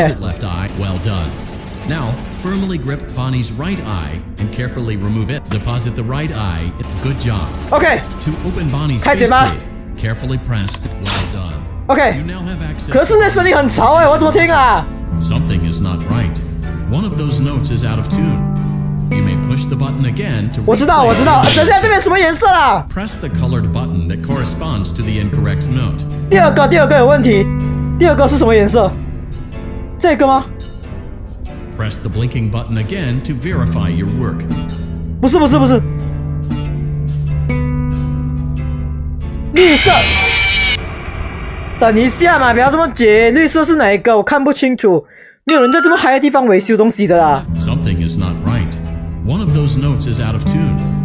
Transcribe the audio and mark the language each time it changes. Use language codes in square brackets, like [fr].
[en] Deposit left eye， well done。 Now firmly grip Bonnie's right eye and carefully remove it。 Deposit the right eye， good job。 OK， to open Bonnie's face plate。 Carefully pressed. Well done. Okay. You now have access. [zh] 可是那声音很吵哎，我怎么听啊 [en] ？Something is not right. One of those notes is out of tune. You may push. push the button again to. [zh] 我知道，我知道。等下，这边什么颜色啦 [en] ？Press the colored button that corresponds to the incorrect note. [zh] 第二个有问题。第二个是什么颜色？这个吗 [en] ？Press the blinking button again to verify your work. [zh] 不是。绿色。等一下嘛，不要这么急。绿色是哪一个？我看不清楚。没有人在这么嗨的地方维修东西的啦。 [en] Something is not right. One of those notes is out of tune.